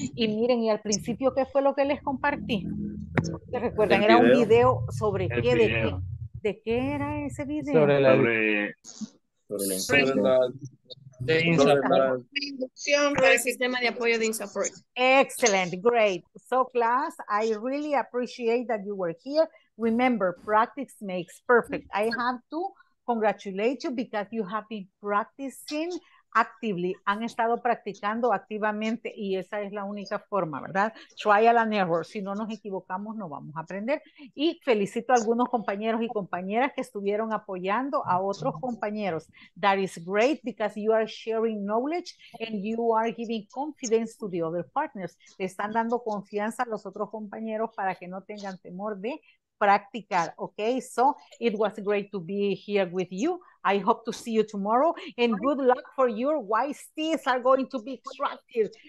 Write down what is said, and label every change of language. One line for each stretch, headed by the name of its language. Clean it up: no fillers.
Spanish: Y miren, y al principio, ¿qué fue lo que les compartí? ¿Se recuerdan? Era un video sobre qué, video. ¿De qué era ese video? Sobre la inducción, sobre el sistema de apoyo de InSupport.
English: Excellent. Great. So, class, I really appreciate that you were here. Remember, practice makes perfect. I have to congratulate you because you have been practicing actively.
Spanish: Han estado practicando activamente y esa es la única forma, ¿verdad?
English: Trial and error.
Spanish: Si no nos equivocamos, no vamos a aprender. Y felicito a algunos compañeros y compañeras que estuvieron apoyando a otros compañeros.
English: That is great because you are sharing knowledge and you are giving confidence to the other partners.
Spanish: Le están dando confianza a los otros compañeros para que no tengan temor de practicar.
English: Okay, so it was great to be here with you. I hope to see you tomorrow and good luck for your wise teeth are going to be extracted.